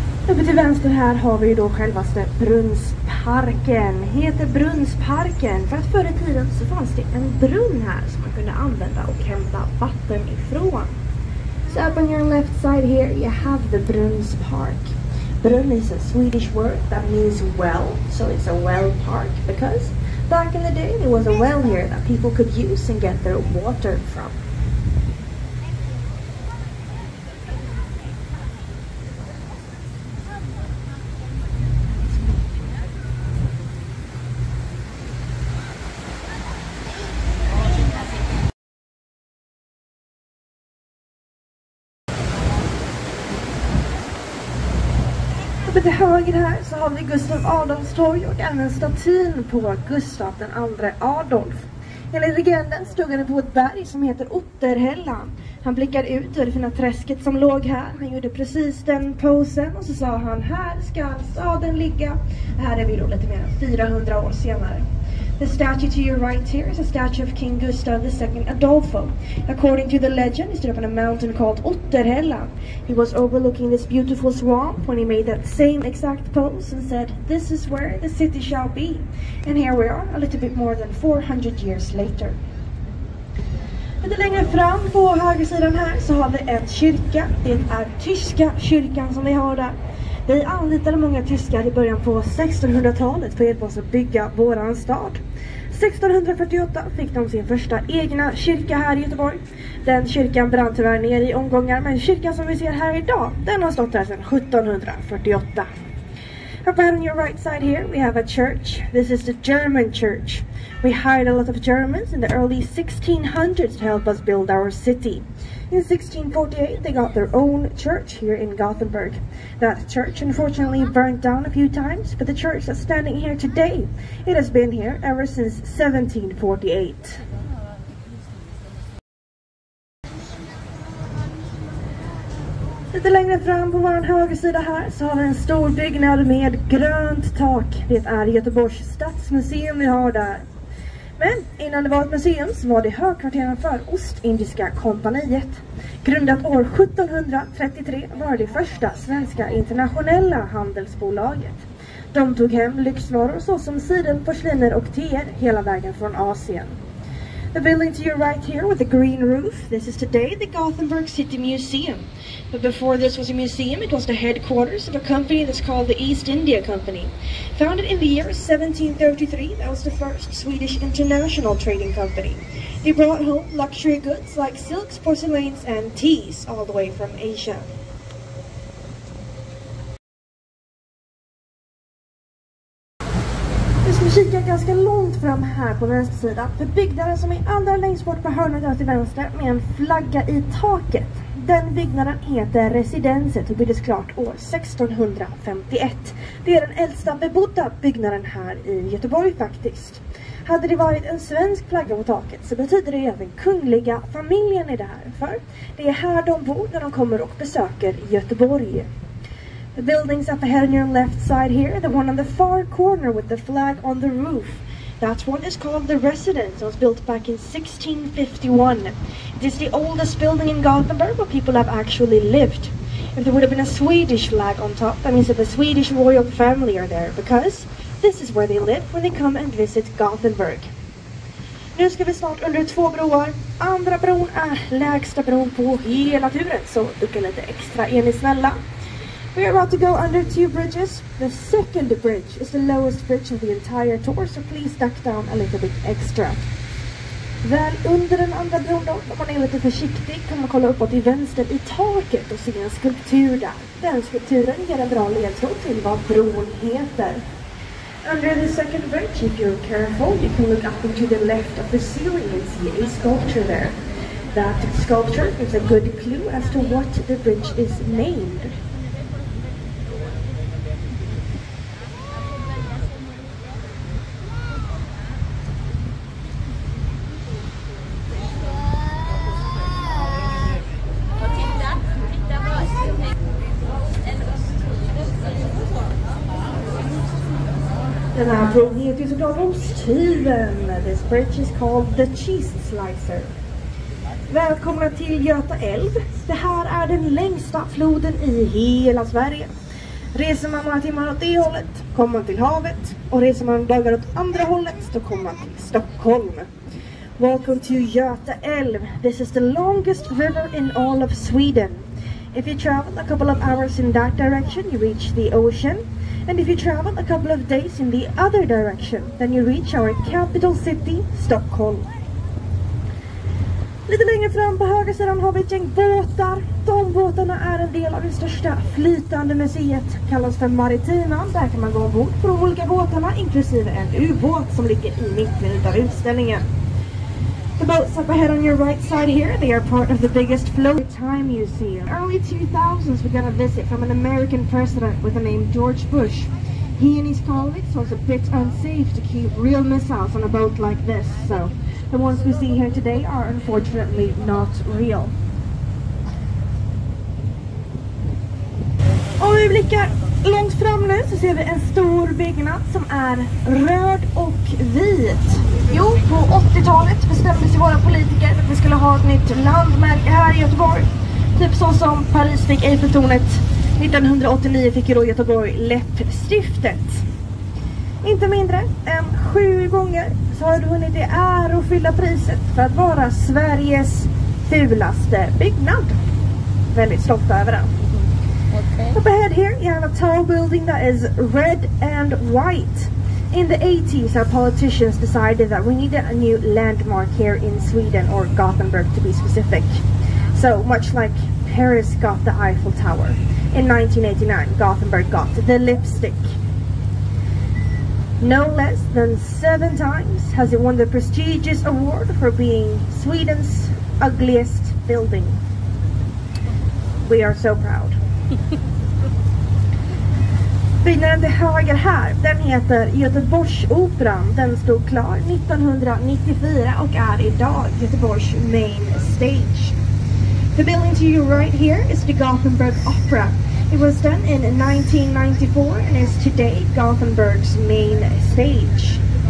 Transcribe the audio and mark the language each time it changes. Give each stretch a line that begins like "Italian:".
Swedish: Uppe till vänster här har vi då självaste Brunnsparken. Heter Brunnsparken för att förr i tiden så fanns det en brunn här som man kunde använda och hämta vatten ifrån.
English: So up on your left side here you have the Brunnspark. Brunn is a Swedish word that means well, so it's a well park because back in the day there was a well here that people could use and get their water from.
Swedish: Till höger här så har vi Gustav Adolfs torg och även statyn på Gustav den andre Adolf. Enligt legenden stod han på ett berg som heter Otterhällan. Han blickade ut över det fina träsket som låg här. Han gjorde precis den posen och så sa han, här ska staden ligga. Här är vi då lite mer än 400 år senare.
English: The statue to your right here is a statue of King Gustav II Adolfo. According to the legend, he stood up on a mountain called Otterhällan. He was overlooking this beautiful swamp when he made that same exact pose and said, "This is where the city shall be." And here we are, a little bit more than 400 years later.
Swedish: Lite längre fram på höger sidan här så har vi en kyrka. Det är tyska kyrkan som vi har där. Vi anlitade många tyskar i början på 1600-talet för att hjälpa oss att bygga våran stad. 1648 fick de sin första egna kyrka här i Göteborg. Den kyrkan brann tyvärr ner i omgångar, men kyrkan som vi ser här idag, den har stått här sedan 1748.
English: Up on your right side here we have a church. This is the German church. We hired a lot of Germans in the early 1600s to help us build our city. In 1648, they got their own church here in Gothenburg. That church unfortunately burnt down a few times, but the church is standing here today. It has been here ever since 1748.
Swedish: Lite längre fram på vår högra sida här så har vi en stor byggnad med grönt tak. Det är Göteborgs stadsmuseum vi har där. Men innan det var ett museum så var det högkvarteren för Ostindiska kompaniet. Grundat år 1733 var det första svenska internationella handelsbolaget. De tog hem lyxvaror såsom siden, porsliner och teer hela vägen från Asien.
English: The building to your right here with the green roof, this is today the Gothenburg City Museum. But before this was a museum, it was the headquarters of a company that's called the East India Company. Founded in the year 1733, that was the first Swedish international trading company. They brought home luxury goods like silks, porcelains and teas all the way from Asia.
Swedish: Vi kikar ganska långt fram här på vänster sida, för byggnaden som är allra längst bort på hörnet till vänster med en flagga i taket. Den byggnaden heter residenset och byggdes klart år 1651. Det är den äldsta bebodda byggnaden här i Göteborg faktiskt. Hade det varit en svensk flagga på taket så betyder det att den kungliga familjen är där, för det är här de bor när de kommer och besöker Göteborg.
English: The buildings up ahead on your left side here, the one on the far corner with the flag on the roof. That one is called the residence. It was built back in 1651. It is the oldest building in Gothenburg where people have actually lived. If there would have been a Swedish flag on top, that means that the Swedish royal family are there, because this is where they live when they come and visit Gothenburg.
Swedish: Nu ska vi snart under två broar. Andra bron är lägsta bron på hela turen, så ducka lite extra, är ni snälla.
English: We are about to go under two bridges. The second bridge is the lowest bridge of the entire tour, so please duck down a little bit extra.
Swedish: Väl under den andra bron då, om man är lite försiktig, kan man kolla uppåt i vänster i taket och se en skulptur där. Den skulpturen ger en bra ledtråd till vad bron heter.
English: Under the second bridge, if you're careful, you can look up into the left of the ceiling and see a sculpture there. That sculpture is a good clue as to what the bridge is named.
Swedish: Den här bron heter ju såklart Osthyven.
English: This bridge is called the Cheese Slicer.
Swedish: Välkomna till Göta älv. Det här är den längsta floden i hela Sverige. Reser man några timmar åt det hållet, kommer man till havet. Och reser man dagar åt andra hållet, då kommer man till Stockholm.
English: Welcome to Göta älv. This is the longest river in all of Sweden. If you travel a couple of hours in that direction, you reach the ocean. And if you travel a couple of days in the other direction, then you reach our capital city, Stockholm.
Swedish: Lite längre fram på höger sidan har vi ett gäng båtar. De båtarna är en del av det största flytande museet. Kallas för Maritima. Där kan man gå ombord på de olika båtarna, inklusive en ubåt som ligger i mitten av utställningen.
English: The boats up ahead on your right side here, they are part of the biggest floating time museum. Early 2000s, we got a visit from an American president with the name George Bush. He and his colleagues thought it was a bit unsafe to keep real missiles on a boat like this, so the ones we see here today are unfortunately not real.
Swedish: Om vi blickar långt fram nu så ser vi en stor byggnad som är röd och vit. Jo, på 80-talet bestämde sig våra politiker att vi skulle ha ett nytt landmärke här i Göteborg. Typ så som Paris fick Eiffeltornet. 1989 fick ju då Göteborg läppstiftet. Inte mindre än 7 gånger så har du hunnit i ärofyllda priset för att vara Sveriges fulaste byggnad. Väldigt stolt över den. Okay.
English: Up ahead here, you have a tall building that is red and white. In the 80s, our politicians decided that we needed a new landmark here in Sweden, or Gothenburg to be specific. So, much like Paris got the Eiffel Tower, in 1989, Gothenburg got the lipstick. No less than 7 times has it won the prestigious award for being Sweden's ugliest building. We are so proud.
Swedish: Byggnaden till höger här, den heter Göteborgsoperan. Den stod klar 1994 och är idag Göteborgs
English: main stage. The building to you right here is the Gothenburg Opera. It was done in 1994 and is today Gothenburg's main stage.